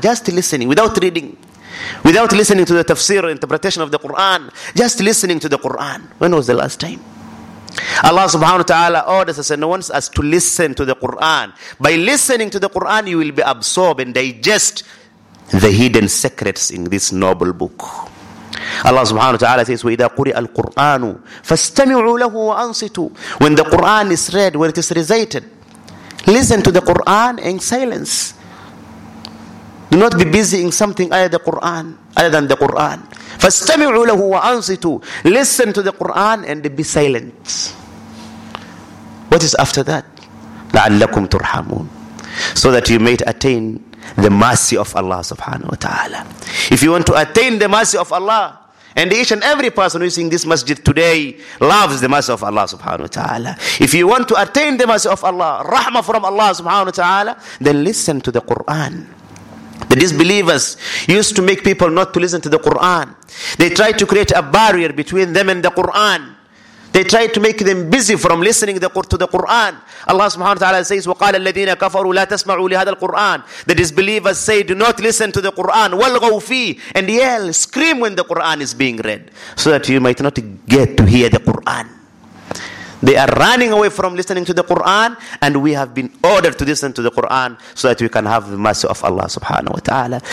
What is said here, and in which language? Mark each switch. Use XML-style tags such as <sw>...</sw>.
<en>Just listening, without reading, without listening to the tafsir interpretation of the Quran, just listening to the Quran. When was the last time? Allah subhanahu wa ta'ala orders us and wants us to listen to the Quran. By listening to the Quran, you will be absorbed and digest the hidden secrets in this noble book.</en> <ar>Allah subhanahu wa ta'ala says, وَإِذَا قُرِئَ الْقُرْآنُ فَاسْتَمِعُوا لَهُ وَأَنصِتُوا.</ar> <en>When the Quran is read, when it is recited, listen to the Quran in silence. Do not be busy in something other than the Quran.</en> <ar>فَاسْتَمِعُوا لَهُ وَأَنصِتُوا.</ar> <en>Listen to the Quran and be silent. What is after that?</en> <ar>لَعَلَّكُمْ تُرْحَمُونَ.</ar> <en>So that you may attain the mercy of Allah subhanahu wa ta'ala. If you want to attain the mercy of Allah, and each and every person who is in this masjid today loves the mercy of Allah subhanahu wa ta'ala. If you want to attain the mercy of Allah, rahmah from Allah subhanahu wa ta'ala, then listen to the Quran. The disbelievers used to make people not to listen to the Quran. They tried to create a barrier between them and the Quran. They try to make them busy from listening to the Quran.</en> <ar>Allah subhanahu wa ta'ala says, وَقَالَ الَّذِينَ كَفَرُوا لَا تَسْمَعُوا لِهَذَا الْقُرْآنِ.</ar> <en>The disbelievers say, do not listen to the Quran.</en> <ar>وَالْغَوْ فِيهِ.</ar> <en>And yell, scream when the Quran is being read, so that you might not get to hear the Quran. They are running away from listening to the Quran, and we have been ordered to listen to the Quran so that we can have the mercy of Allah subhanahu wa ta'ala.</en>